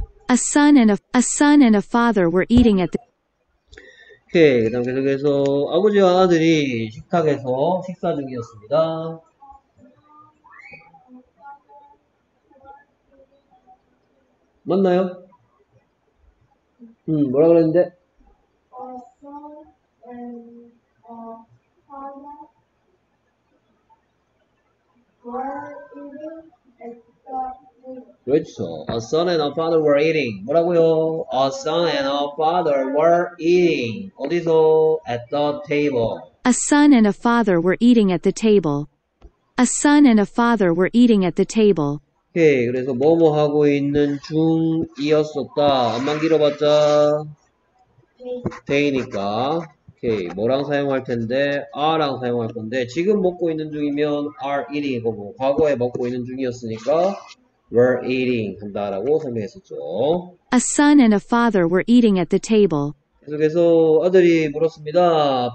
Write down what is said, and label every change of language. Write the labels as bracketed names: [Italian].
[English] A son and a father were eating at the. [Korean] Okay, 그다음 계속해서 아버지와 아들이 식탁에서 식사 중이었습니다. Mm-hmm. 맞나요? 뭐라 그랬는데? [English] A son and a father were eating at the table. [Korean] 그렇죠. [English] A son and a father were eating. [Korean] 뭐라고요? [English] A son and a father were eating. [Korean] 어디서? [English] At the table. A son and a father were eating at the table. A son and a father were eating at the table. [Korean] 오케이. 그래서 뭐뭐 하고 있는 중이었었다. 안만 길어봤자 day니까. 오케이. 뭐랑 사용할 텐데? are랑 사용할 건데 지금 먹고 있는 중이면 are eating. 뭐, 과거에 먹고 있는 중이었으니까 were eating 한다라고 설명했었죠. [English] A son and a father were eating at the table. [Korean] 계속해서 아들이 물었습니다.